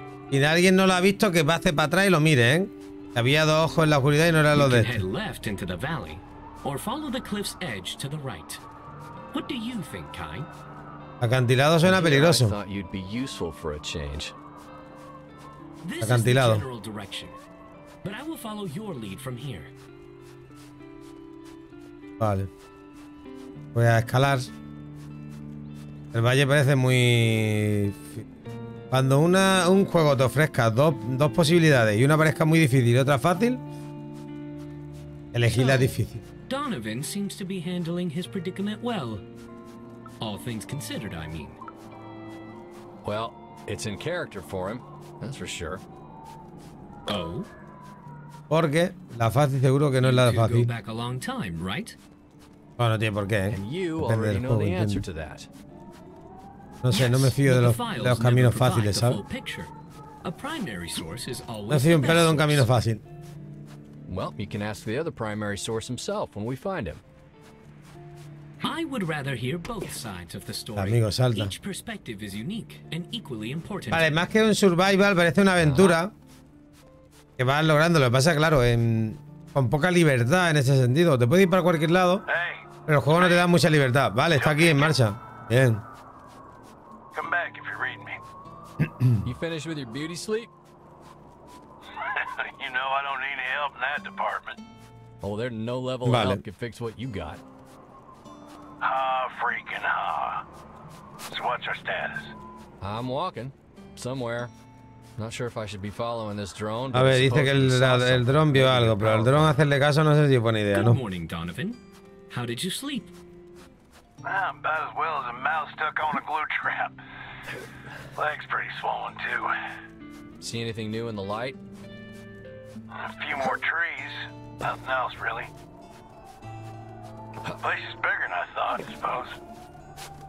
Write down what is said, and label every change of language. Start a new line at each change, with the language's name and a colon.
Spanish: Y de alguien no lo ha visto, que pase para atrás y lo mire, ¿eh? Había dos ojos en la oscuridad y no era lo de este.
English: Left into the valley, or follow the cliff's edge to the right. What do you think, Kai?
Spanish: Acantilado suena peligroso.
English: I thought you'd be useful for a change.
Spanish: Acantilado.
English: This is the general direction, but I will follow your lead from here.
Spanish: Vale. Voy a escalar. El valle parece muy... Cuando un juego te ofrezca dos posibilidades y una parezca muy difícil y otra fácil, elegí la difícil.
English: Donovan seems to be handling his predicament well. All things considered, I mean. Well, it's in character for him, that's for sure. Oh.
Spanish: Porque la fácil seguro que no es la fácil.
English: Back a long time, right?
Spanish: Bueno, tiene por qué.
English: And you already know the answer to that.
Spanish: No sé, no me fío de los caminos fáciles, ¿sabes? No fío un pelo de un camino fácil.
English: Well, you can ask the other primary source himself when we find him. I would rather hear both sides of the story.
Spanish: Amigo, salta.
English: Each perspective is unique and equally important.
Spanish: Vale, más que un survival, parece una aventura que vas logrando. Lo que pasa, claro, con poca libertad en ese sentido. Te puedes ir para cualquier lado, pero el juego no te da mucha libertad. Vale, está aquí en marcha. Bien.
English: Come back if you're reading me. You finished with your beauty sleep? You know I don't need any help in that department. Oh, there's no level of help can fix what you got. Ah, freaking ah. So what's our status? I'm walking. Somewhere. Not sure if I should be following this drone.
Spanish: A ver, dice que el drone vio algo, pero al drone hacerle caso no sé si es buena idea, ¿no?
English: Good morning, Donovan. How did you sleep? I'm about as well as a mouse stuck on a glue trap. Leg's pretty swollen, too. See anything new in the light? A few more trees. Nothing else, really. The place is bigger than I thought, I suppose.